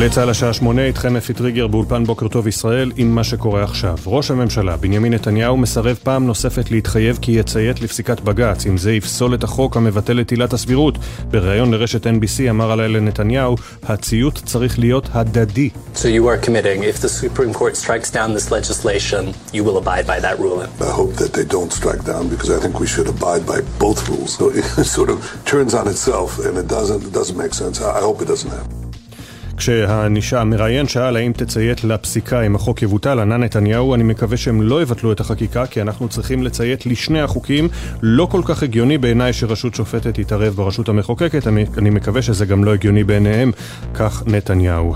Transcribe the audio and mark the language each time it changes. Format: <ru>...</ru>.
<he>גלי צהל השעה 8, איתכם אפי טריגר באולפן בוקר טוב ישראל עם מה שקורה עכשיו. ראש הממשלה בנימין נתניהו מסרב פעם נוספת להתחייב כי יציית לפסיקת בגץ, אם זה יפסול את החוק המבטל את עילת הסבירות. בריאיון לרשת NBC אמר עליה לנתניהו, הציות צריך להיות הדדי.</he> <en>So you are committing, if the Supreme Court strikes down this legislation, you will abide by that ruling. I hope that they don't strike down, because I think we should abide by both rules. So it sort of turns on itself, and it doesn't make sense. I hope it doesn't happen.</en> <he>כשהנשאל מראיין שאל האם תציית לפסיקה אם החוק יבוטל, ענה נתניהו, אני מקווה שהם לא יבטלו את החקיקה, כי אנחנו צריכים לציית לשני החוקים. לא כל כך הגיוני בעיניי שרשות שופטת יתערב ברשות המחוקקת, אני מקווה שזה גם לא הגיוני בעיניהם, כך נתניהו.</he>